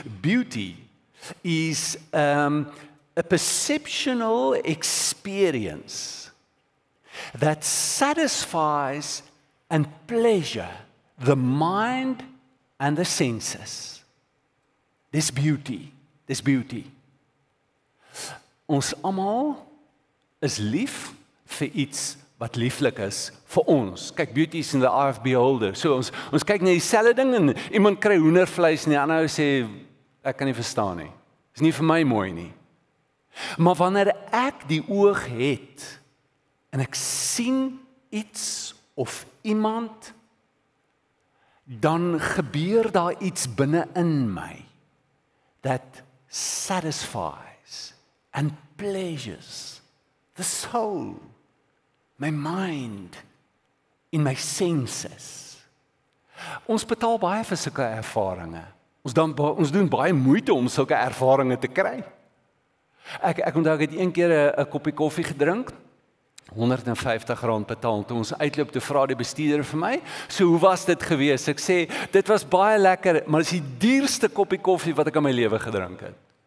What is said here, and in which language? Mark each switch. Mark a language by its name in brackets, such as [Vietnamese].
[English] Beauty is a perceptual experience that satisfies and pleasure the mind and the senses. This beauty, this beauty. [Afrikaans] Ons allemaal is lief voor iets wat lieflijk is voor ons. [English] Kijk, beauty is in the eye of beholder. [Afrikaans] So ons kyk na dieselfde ding en iemand kry hoendervleis en die ander sê, ek kan nie verstaan nie. Is nie vir my mooi nie. Maar wanneer ek die oog het en ek sien iets of iemand, dan gebeur daar iets binnen in my [English] that satisfies and pleasures the soul, my mind, in my senses. [Afrikaans] Ons betaal baie vir sulke ervaringe. Ons doen baie moeite om sulke ervaringe te kry. Ek onthou, ek het een keer een kopie koffie gedrink, R150 betaal, toe ons uitloop, toe vraag die bestuurder vir my, so hoe was dit gewees? Ek sê, dit was baie lekker, maar dit is die duurste kopie koffie wat ek in my leven gedrink het.